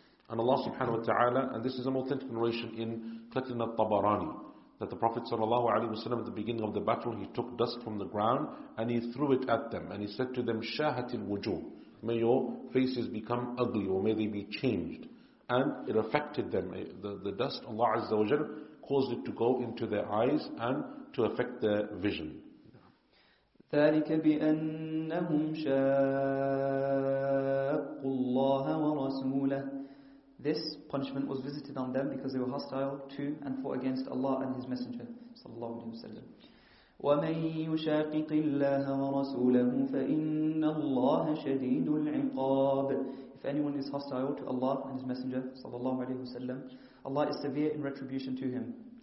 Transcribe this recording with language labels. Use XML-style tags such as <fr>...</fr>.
<en>And Allah subhanahu wa ta'ala, and this is an authentic narration in collecting al-Tabarani, that the Prophet sallallahu alaihi wasallam at the beginning of the battle, he took dust from the ground and he threw it at them. And he said to them,</en> <ar>shahatil wujuh,</ar> <en>may your faces become ugly or may they be changed. And it affected them. The dust, Allah azza wa jalla, caused it to go into their eyes and to affect their vision.</en> <ar>ذلك بأنهم شاقوا الله ورسوله.</ar> <en>This punishment was visited on them because they were hostile to and fought against Allah and His Messenger, sallallahu alaihi wasallam.</en> <ar>وَمَن يُشَاقِقِ اللَّهَ وَرَسُولَهُ فَإِنَّ اللَّهَ شَدِيدُ الْعِقَابِ.</ar> <en>If anyone is hostile to Allah and His Messenger, sallallahu alaihi wasallam, Allah is severe in retribution to him.</en>